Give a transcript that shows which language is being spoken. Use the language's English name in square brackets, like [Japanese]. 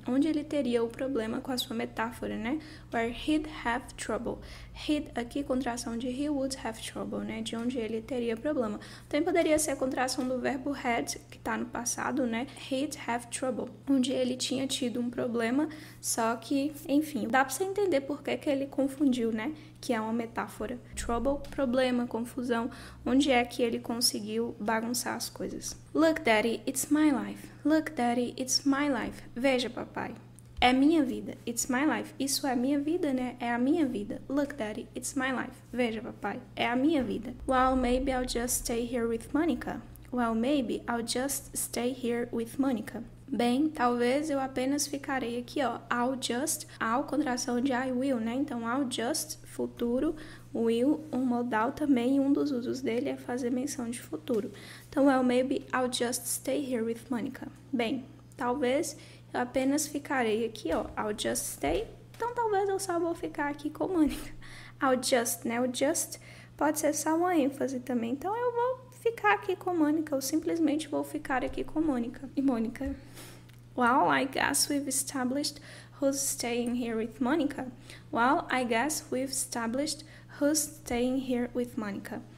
[Portuguese] Onde ele teria o problema com a sua metáfora, né? [English] Where he'd have trouble. [Portuguese] He'd aqui, contração de [English] he would have trouble, [Portuguese] né? De onde ele teria problema. Também poderia ser a contração do verbo had, que tá no passado, né? [English] He'd have trouble. [Portuguese] Onde ele tinha tido um problema, só que, enfim, dá pra você entender por que que ele confundiu, né? Que é uma metáfora. Trouble, problema, confusão. Onde é que ele conseguiu bagunçar as coisas? [English] Look, daddy, it's my life. Look, daddy, it's my life. [Portuguese] Veja, papai. É minha vida. [English] It's my life. [Portuguese] Isso é minha vida, né? É a minha vida. [English] Look, daddy, it's my life. [Portuguese] Veja, papai. É a minha vida. [English] Well, maybe I'll just stay here with Monica. Well, maybe I'll just stay here with Monica. [Portuguese] Bem, talvez eu apenas ficarei aqui, ó. I'll, contração de I will, né? Então, I'll just, futuro, will, um modal também, um dos usos dele é fazer menção de futuro. [English] Então, well, maybe I'll just stay here with Monica. [Portuguese] Bem, talvez eu apenas ficarei aqui, ó. [English] I'll just stay. [Portuguese] Então, talvez eu só vou ficar aqui com Monica. I'll just, né? O just pode ser só uma ênfase também. Então, eu vou ficar aqui com Monica. Eu simplesmente vou ficar aqui com Monica. E Monica. [English] Well, I guess we've established who's staying here with Monica. Well, I guess we've established who's staying here with Monica.